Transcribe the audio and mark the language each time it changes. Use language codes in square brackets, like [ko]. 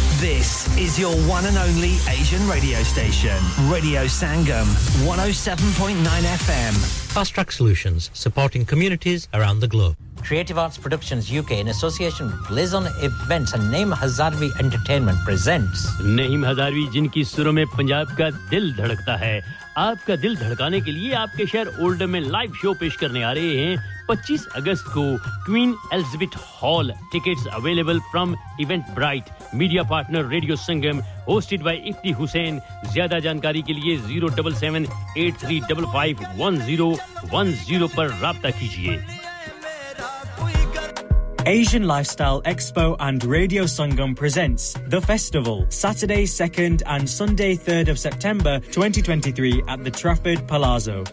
[en] This is your one and only Asian radio station. Radio Sangam, 107.9 FM. Fast Track Solutions, supporting communities around the globe. Creative Arts Productions UK, in association with Liaison Events and Naeem Hazarvi Entertainment, presents... [hi] Naeem Hazarvi, jinki suron mein Punjab ka dil dhadakta hai... आपका दिल धड़काने के लिए आपके शहर Oldham में live show पेश करने आ रहे हैं 25 अगस्त को queen Elizabeth hall [en] tickets available from Eventbrite [hi] media partner radio Sangam [en] hosted by [hi] Ifti Hussain ज्यादा जानकारी के लिए 07783551010 पर رابطہ कीजिए [en] Asian Lifestyle Expo and Radio Sangam presents The Festival, Saturday 2nd and Sunday 3rd of September 2023 at the Trafford Palazzo.